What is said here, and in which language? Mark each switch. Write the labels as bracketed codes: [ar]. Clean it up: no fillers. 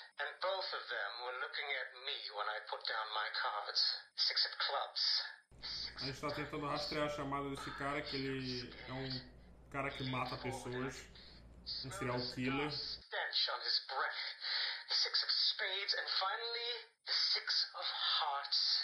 [en] And both of them were looking at me when I put down my cards. Six of clubs. [pt] A gente tá tentando rastrear a chamada desse cara, que ele é um cara que mata pessoas. Um serial killer. [en] Stench on his breath. Six of spades and finally the six of hearts.